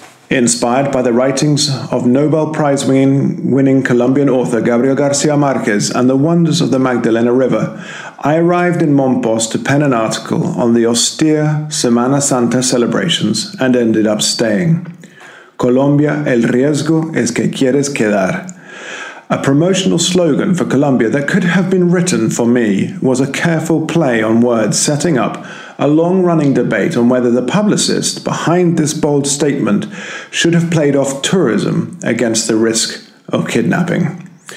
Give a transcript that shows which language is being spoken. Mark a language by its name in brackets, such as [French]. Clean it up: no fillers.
[English] Inspired by the writings of Nobel Prize-winning Colombian author Gabriel García Márquez and the wonders of the Magdalena River, I arrived in Mompos to pen an article on the austere Semana Santa celebrations and ended up staying. [Spanish] Colombia, el riesgo es que quieres quedar. [English] A promotional slogan for Colombia that could have been written for me was a careful play on words setting up a long-running debate on whether the publicist behind this bold statement should have played off tourism against the risk of kidnapping.